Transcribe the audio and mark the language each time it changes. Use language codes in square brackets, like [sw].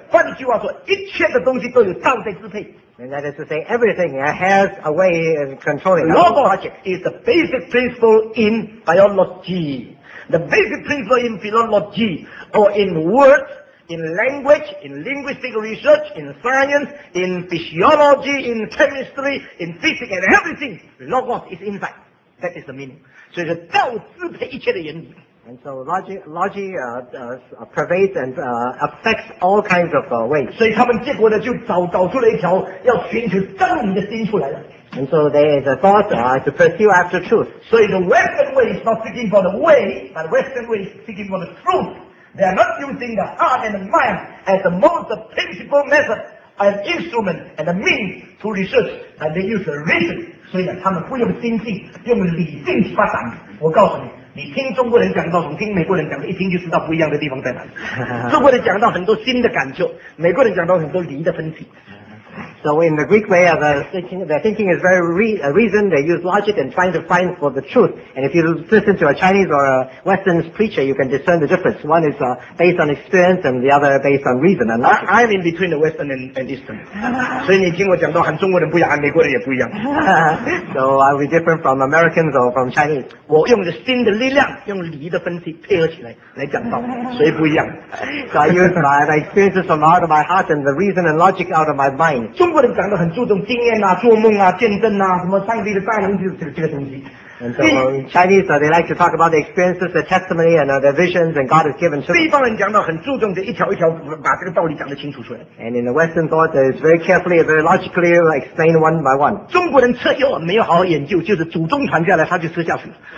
[zh] 换句话说一切的东西都有道在支配 [en] And that is to say everything has a way of controlling Logos is the basic principle in biology The basic principle in philology Or in words, in language, in linguistic research, in science, in physiology, in chemistry, in physics and everything Logos is inside That is the meaning. [zh] 所以是道支配一切的原理。 [en] And so logic pervades and affects all kinds of ways. [zh] 所以他们结果呢就找出了一条要寻求真理的心出来了。 [en] And so there is a thought to pursue after truth. [zh] 所以 [en] the Western way is not seeking for the way, but the Western way is seeking for the truth. They are not using the heart and the mind as the most principal method, an instrument and a means to research, and they use the reason. [zh] 所以呢他们不用心性，用理性去发展。我告诉你，你听中国人讲道，从听美国人讲的，一听就知道不一样的地方在哪里。中国人讲到很多新的感受，美国人讲到很多理的分析。 [en] So in the Greek way of thinking is very reason, they use logic and trying to find for the truth. And if you listen to a Chinese or a Western preacher, you can discern the difference. One is based on experience and the other based on reason and logic. I'm in between the Western and Eastern. [zh] 所以你听我讲到很中国人不一样，美国人也不一样。 [en] So are we different from Americans or from Chinese? [zh] 我用着新的力量，用理的分析配合起来来讲道，所以不一样。 [en] So I use my experiences from out of my heart and the reason and logic out of my mind. [zh] 中国人讲得很注重经验啊，做梦啊，见证啊，什么上帝的大能，就是这个东西。 [en] Chinese, they like to talk about the experiences, the testimony, and their visions, and God has given to them. [zh] 西方人讲到很注重的一条一条把这个道理讲得清楚出来。 [en] And in the Western thought, there is very carefully, very logically explained one by one. [zh] 中国人吃药没有好好研究，就是祖宗传下来他就吃下去了。